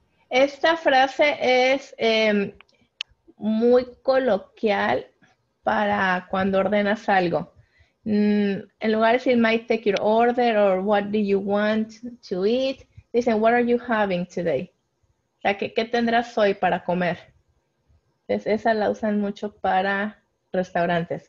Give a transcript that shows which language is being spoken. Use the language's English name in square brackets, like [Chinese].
[Spanish] Esta frase es muy coloquial para cuando ordenas algo. En lugar de decir, [English] might take your order or what do you want to eat, [Spanish] dicen, [English] what are you having today? [Spanish] O sea, ¿qué tendrás hoy para comer? Pues esa la usan mucho para restaurantes.